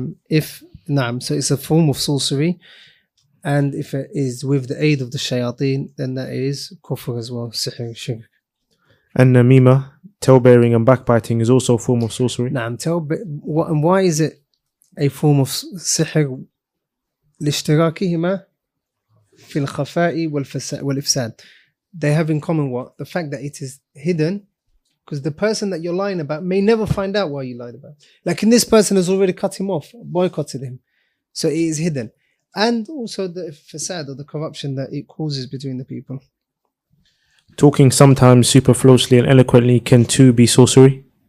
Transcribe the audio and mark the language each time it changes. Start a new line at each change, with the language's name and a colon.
English: So it's a form of sorcery. And if it is with the aid of the shayateen, then that is kufr as well, sihr, shirk. And namima, tail-bearing and backbiting, is also a form of sorcery. And why is it a form of sihr?
Arabic: لاشتراكهما في الخفاء والإفساد.
English: They have in common what? The fact that it is hidden, because the person that you're lying about may never find out why you lied about. Like in this person has already cut him off, boycotted him. So it is hidden. And also the facade, or the corruption that it causes between the people. Talking sometimes superfluously and eloquently can too be sorcery?